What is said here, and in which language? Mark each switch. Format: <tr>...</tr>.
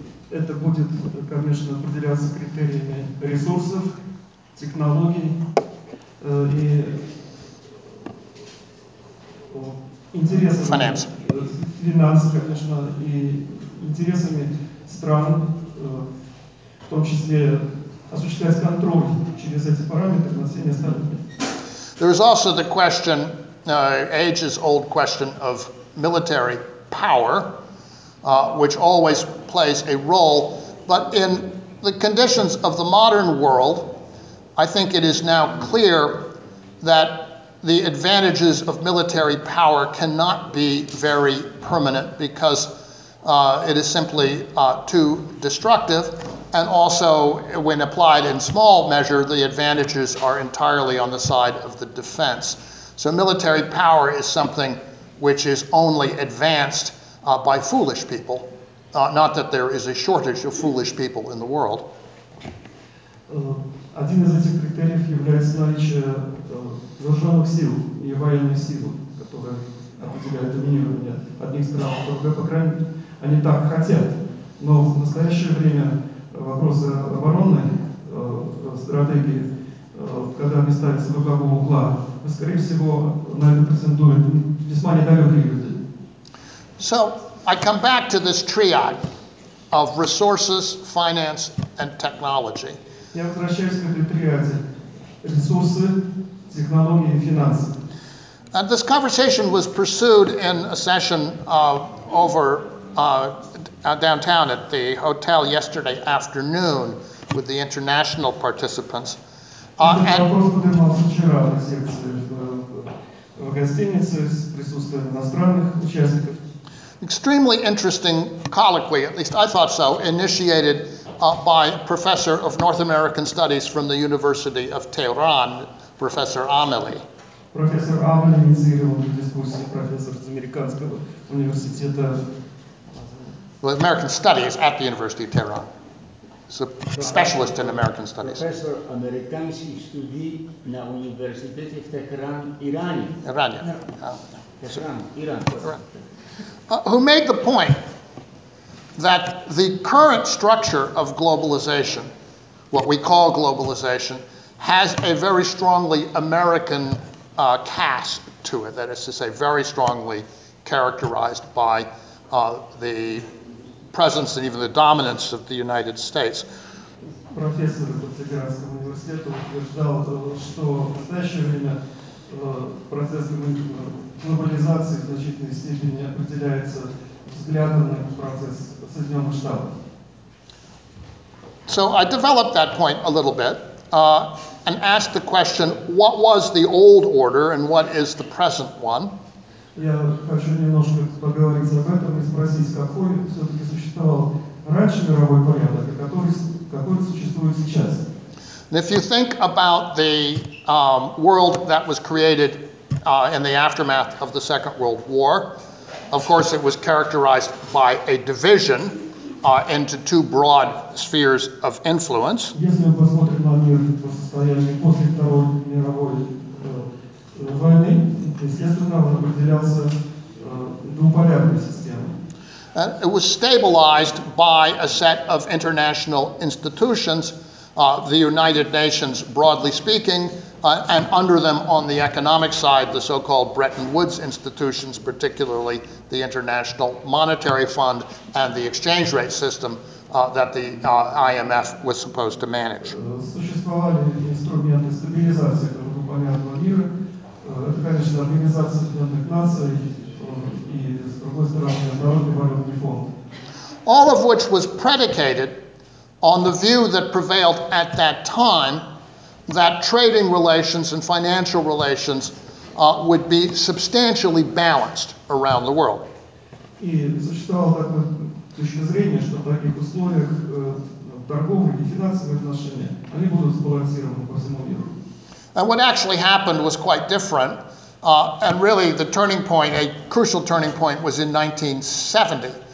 <ru>Это будет, конечно, определяться критериями ресурсов, технологий и интересов финансов, конечно, и интересами стран, в том числе осуществлять контроль через эти параметры на всеми остальными.</ru> <en>There is also the question, ages-old question of military power, which always plays a role, but in the conditions of the modern world, I think it is now clear that the advantages of military power cannot be very permanent because it is simply too destructive, and also when applied in small measure, the advantages are entirely on the side of the defense. So military power is something which is only advanced by foolish people. Not that there is a shortage of foolish people in the world.</en> <ru>Один из этих критериев является наличие вооруженных сил и военной силы, которая определяет доминирование одних стран, которые, по крайней мере, они так хотят. Но в настоящее время вопросы оборонной стратегии, когда они ставятся в другом угла, скорее всего, на это претендуют весьма недалекие люди.</ru> <en>So I come back to this triad of resources, finance, and technology.</en> <ru>Я возвращаюсь к этой триаде: ресурсы, технологии и финансы.</ru> <en>And this conversation was pursued in a session over downtown at the hotel yesterday afternoon with the international participants.</en> <ru>Этот вопрос поднимался вчера на секции в гостинице с присутствием иностранных участников.</ru> <en>Extremely interesting colloquy, at least I thought so, initiated by professor of North American Studies from the University of Tehran, Professor Ameli.</en> <ru>Профессор Абель инициировал эту дискуссию, профессор из американского университета.</ru> <en>Well, American Studies at the University of Tehran. He's a specialist in American Studies.</en> <ru>Professor американский студий на университете в Техран, Иране. Иране. Иран.</ru> <en>Who made the point that the current structure of globalization, what we call globalization, has a very strongly American cast to it, that is to say, very strongly characterized by the presence and even the dominance of the United States.</en> <ru>Профессор Тегеранского университета утверждал, что в настоящее время процесс глобализации в значительной степени определяется взглядом на процесс Соединенных Штатов.</ru> <en>So I developed that point a little bit and asked the question, what was the old order and what is the present one?</en> <ru>Я хочу немножко поговорить об этом и спросить, какой все-таки существовал раньше мировой порядок, и какой существует сейчас.</ru> <en>If you think about the world that was created in the aftermath of the Second World War, of course it was characterized by a division into two broad spheres of influence.</en> <ru>Если мы посмотрим на мир по состоянию после Второй мировой войны, естественно, он определялся двуполярной системой.</ru> <en>It was stabilized by a set of international institutions, the United Nations, broadly speaking, and under them on the economic side, the so-called Bretton Woods institutions, particularly the International Monetary Fund and the exchange rate system that the IMF was supposed to manage.</en> <ru>Существовали инструменты стабилизации этого понятного мира. Это, конечно, Организация Объединенных Наций и, с другой стороны, Международный валютный фонд.</ru> <en>All of which was predicated on the view that prevailed at that time that trading relations and financial relations would be substantially balanced around the world.</en> <ru>И существовало такое точка зрения, что в таких условиях торговые и финансовые отношения они будут сбалансированы по всему миру.</ru> <en>And what actually happened was quite different. And really the turning point, a crucial turning point, was in 1970.</en>